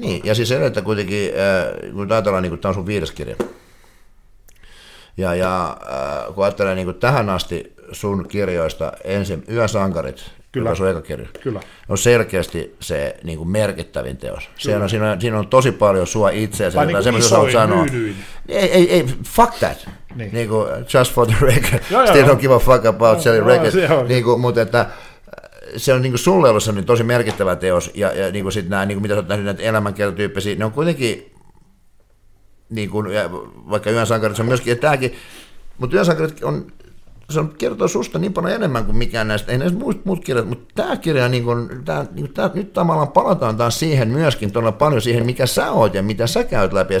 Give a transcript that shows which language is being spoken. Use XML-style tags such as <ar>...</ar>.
<fi>Niin, ja siis se, että kuitenkin, kun ajatellaan, niin kuin, tämä on sun viides kirja, ja kun ajattelee niin kuin tähän asti sun kirjoista, ensin Yön sankarit, kyllä, joka on sun eka kirja. Kyllä. On selkeästi se niin kuin merkittävin teos. Siinä on tosi paljon sua itseäsi. Tai niin kuin isoin, myydyin. Ei,</fi> <en>fuck that.</en> <fi>Niin. Niin kuin,</fi> <en>just for the record. Still don't give a fuck about selling records.</en> <fi>Niin kuin, mutta että se on niin kuin sulle ollut sellainen tosi merkittävä teos. Ja niin kuin sit nämä, niin kuin mitä sä oot nähnyt, näitä elämänkertotyyppisiä, ne on kuitenkin, niin kuin, vaikka Yön sankarit on myöskin, ja tämäkin, mutta Yön sankarit on. Se kertoo susta niin paljon enemmän kuin mikään näistä, ei näistä muut kirjat, mutta tämä kirja, nyt tavallaan palataan taas siihen myöskin todella paljon siihen, mikä sä oot ja mitä sä käyt läpi.</fi>